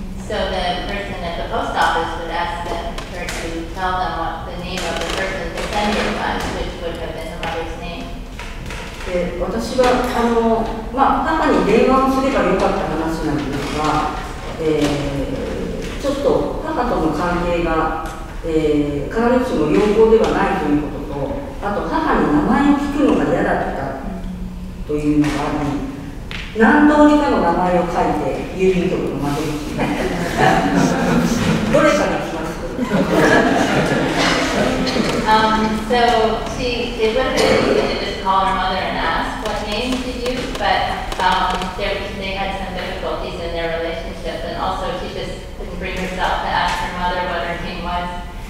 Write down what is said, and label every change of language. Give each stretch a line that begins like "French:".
English: So the person at the post office would ask the person to tell them what the name of the person to send it was, which would have been the mother's name.
Japanese: で、私は母に電話をすればよかった話なんですが、ちょっと母との関係が必ずしも良好ではないということと、あと母に名前を聞くのが嫌だったというのがあり、何通りかの名前を書いて郵便局の窓口にどれかが来ますか。
English: So she, it would have been easy to just call her mother and ask what name to use, but they had some difficulties in their relationship, and also she just couldn't bring herself to ask her mother what her name was.